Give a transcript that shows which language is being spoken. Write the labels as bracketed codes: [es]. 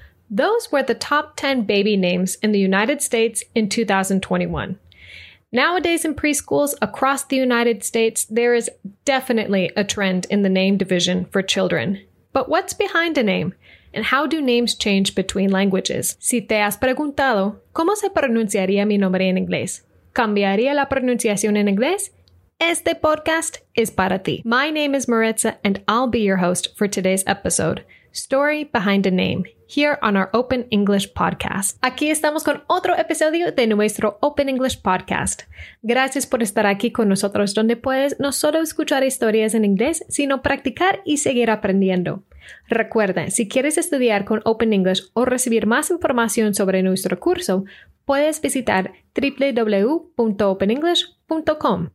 [en] Those were the top 10 baby names in the United States in 2021. Nowadays in preschools across the United States, there is definitely a trend in the name division for children. But what's behind a name? And how do names change between languages? [es] Si te has preguntado, ¿cómo se pronunciaría mi nombre en inglés? ¿Cambiaría la pronunciación en inglés? Este podcast es para ti. [en] My name is Maritza, and I'll be your host for today's episode, Story Behind a Name, here on our Open English Podcast. [es] Aquí estamos con otro episodio de nuestro Open English Podcast. Gracias por estar aquí con nosotros, donde puedes no solo escuchar historias en inglés, sino practicar y seguir aprendiendo. Recuerda, si quieres estudiar con Open English o recibir más información sobre nuestro curso, puedes visitar www.openenglish.com.